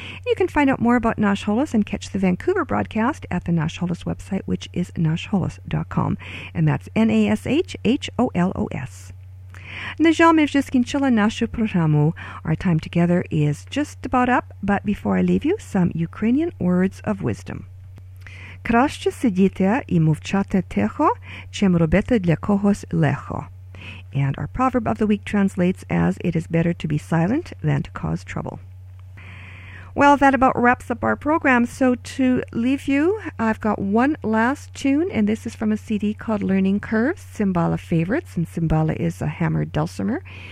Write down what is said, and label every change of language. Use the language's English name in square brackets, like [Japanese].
[English] You can find out more about Nash Holos and catch the Vancouver broadcast at the Nash Holos website, which is nashholos.com. And that's NASHHOLOS. Our time together is just about up, but before I leave you, some Ukrainian words of wisdom. [Ukrainian] Краще сидіти і мовчати тихо, чим робити для когось лихо. [English] And our proverb of the week translates as, it is better to be silent than to cause trouble. Well, that about wraps up our program. So to leave you, I've got one last tune, and this is from a CD called Learning Curves, Cymbala Favorites, and Cymbala is a hammered dulcimer.